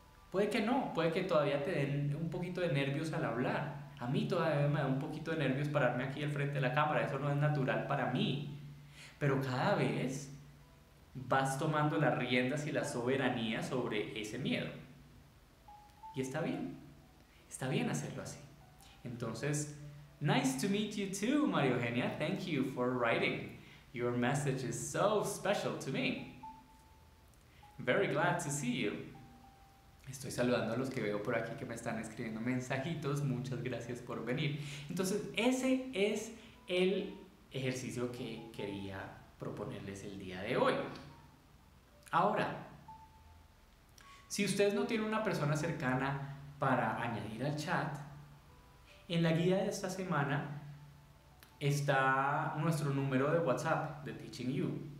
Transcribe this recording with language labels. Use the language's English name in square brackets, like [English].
[Spanish] Puede que no, puede que todavía te den un poquito de nervios al hablar. A mí todavía me da un poquito de nervios pararme aquí al frente de la cámara, eso no es natural para mí. Pero cada vez vas tomando las riendas y la soberanía sobre ese miedo. Y está bien hacerlo así. [English] Entonces, nice to meet you too, María Eugenia. Thank you for writing. Your message is so special to me. Very glad to see you. [Spanish] Estoy saludando a los que veo por aquí que me están escribiendo mensajitos. Muchas gracias por venir. Entonces, ese es el ejercicio que quería proponerles el día de hoy. Ahora, si ustedes no tienen una persona cercana para añadir al chat, en la guía de esta semana está nuestro número de WhatsApp de Teaching You.